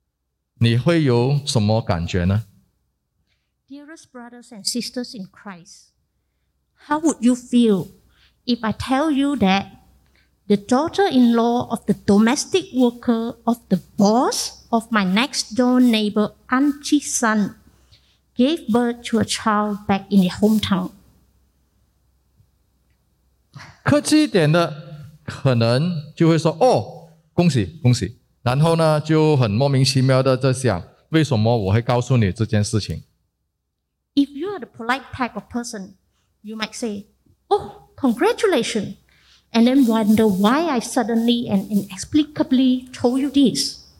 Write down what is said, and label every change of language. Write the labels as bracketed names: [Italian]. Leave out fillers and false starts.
[Chinese] 各位主内亲爱弟兄姐妹们，如果我告诉你，我家隔壁安迪儿子的老板的家庭工人在乡下的儿媳妇生了一个孩子，你会有什么感觉呢？ [English] Dearest brothers and sisters in Christ, how would you feel if I tell you that the daughter-in-law of the domestic worker of the boss of my next-door neighbor, auntie's son, gave birth to a child back in the hometown? [Chinese] 客气一点的可能就会说，哦，恭喜，恭喜。然后呢，就很莫名其妙的在想，为什么我会告诉你这件事情？ [English] If you are the polite type of person, you might say, "Oh, congratulations." And then wonder why I suddenly and inexplicably told you this.